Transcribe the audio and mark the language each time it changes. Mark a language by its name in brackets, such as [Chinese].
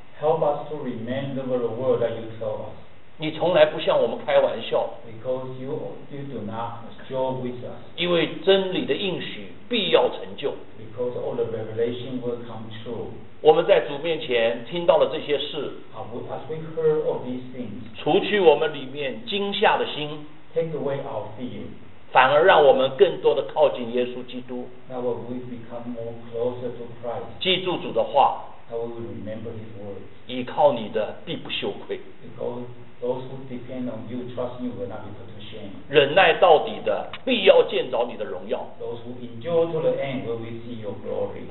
[English] Help us to remember the word that you told us. [Chinese] 你从来不向我们开玩笑， [English] Because you do not joke with us. [Chinese] 因为真理的应许必要成就， [English] Because all the revelation will come true. [Chinese] 我们在主面前听到了这些事， [English] As we heard all these things, [Chinese] 除去我们里面惊吓的心， [English] Take away our fear, [Chinese] 反而让我们更多的靠近耶稣基督。 [English] Now we become more closer to Christ. [Chinese] 记住主的话， [English] Now we remember his words. [Chinese] 依靠你的必不羞愧， [English] BecauseThose who depend on you, trust you, will not be put to shame. [Chinese] 忍耐到底的，必要见着你的荣耀。 [English] Those who endure to the end, will we see your glory.